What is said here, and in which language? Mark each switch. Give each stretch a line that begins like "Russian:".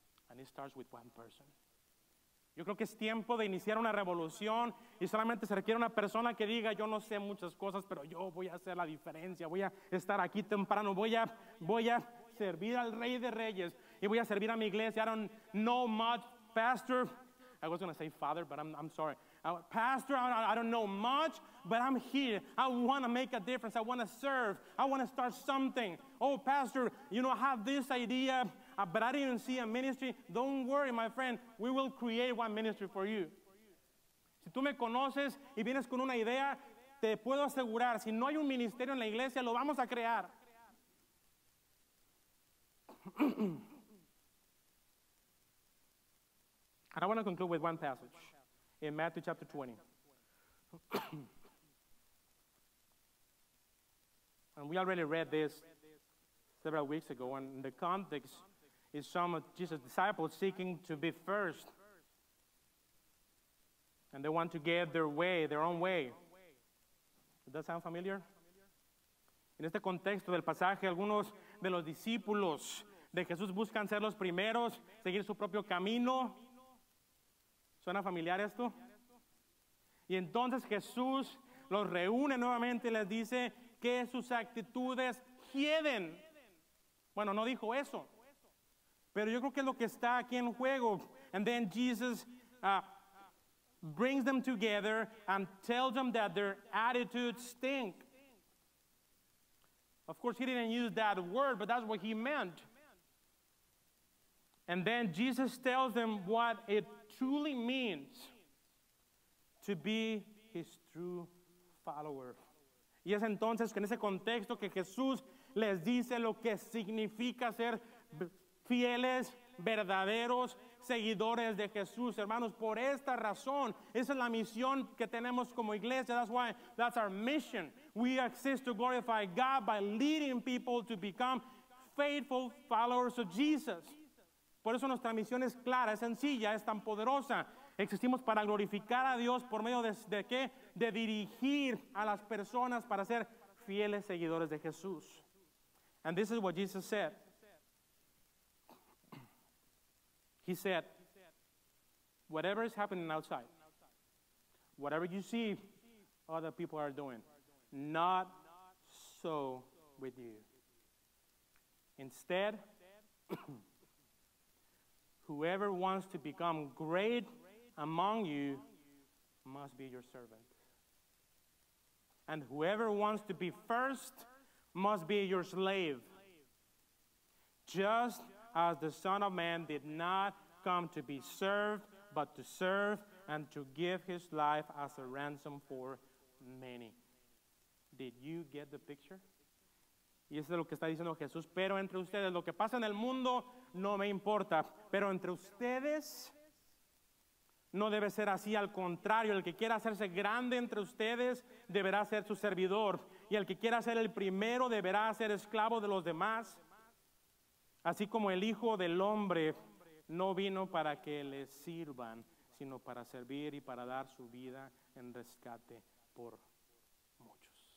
English: And it starts with one person.
Spanish: Yo creo que es tiempo de iniciar una revolución y solamente se requiere una persona que diga, yo no sé muchas cosas, pero yo voy a hacer la diferencia, voy a estar aquí temprano, voy a servir al Rey de Reyes y voy a servir a mi iglesia.
English: I don't know much, pastor. I was going to say father, but I'm sorry. Pastor, I don't know much, but I'm here. I want to make a difference. I want to serve. I want to start something. Oh, pastor, you know, I have this idea, but I didn't even see a ministry. Don't worry, my friend. We will create one ministry for you.
Spanish: Si tú me conoces y vienes con una idea, te puedo asegurar, si no hay un ministerio en la iglesia, lo vamos a crear.
English: And I want to conclude with one passage in Matthew chapter 20. And we already read this several weeks ago, and the context is some of Jesus' disciples seeking to be first. And they want to get their way, their own way. Does that sound familiar?
Spanish: En este contexto del pasaje, algunos de los discípulos de Jesús buscan ser los primeros, seguir su propio camino. ¿Suena familiar esto? Y entonces Jesús los reúne nuevamente y les dice que sus actitudes queden. Bueno, no dijo eso. Pero yo creo que es lo que está aquí en juego.
English: And then Jesus brings them together and tells them that their attitudes stink. Of course, he didn't use that word, but that's what he meant. And then Jesus tells them what it truly means to be his true follower.
Spanish: Y es entonces que en ese contexto que Jesús les dice lo que significa ser fieles, verdaderos seguidores de Jesús. Hermanos, por esta razón, esa es la misión que tenemos como iglesia.
English: That's why, that's our mission. We exist to glorify God by leading people to become faithful followers of Jesus.
Spanish: Por eso nuestra misión es clara, es sencilla, es tan poderosa. Existimos para glorificar a Dios por medio de qué? De dirigir a las personas para ser fieles seguidores de Jesús.
English: And this is what Jesus said. He said, whatever is happening outside, whatever you see other people are doing, not so with you. Instead, whoever wants to become great among you must be your servant. And whoever wants to be first must be your slave. Just as the Son of Man did not come to be served, but to serve and to give his life as a ransom for many. Did you get the picture?
Spanish: Y eso es lo que está diciendo Jesús. Pero entre ustedes, lo que pasa en el mundo no me importa. Pero entre ustedes, No debe ser así, al contrario, el que quiera hacerse grande entre ustedes deberá ser su servidor, y el que quiera ser el primero deberá ser esclavo de los demás, así como el Hijo del Hombre no vino para que le sirvan, sino para servir y para dar su vida en rescate por muchos.